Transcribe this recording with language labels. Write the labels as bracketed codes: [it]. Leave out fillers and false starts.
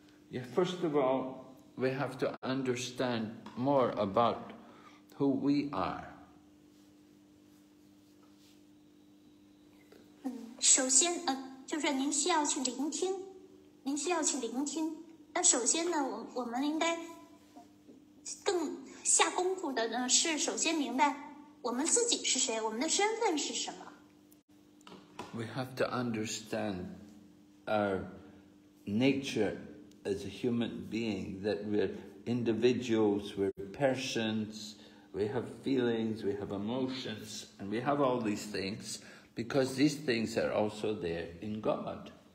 [en] Yeah, first of all, we have to understand more about who we are. [zh] 首先，就是您需要去聆听，您需要去聆听。但首先呢，我们应该更下功夫的呢，是首先明白我们自己是谁，我们的身份是什么。 [en] We have to understand our nature as a human being, that we're individuals, we're persons, we have feelings, we have emotions, and we have all these things. Because these things are also there in God.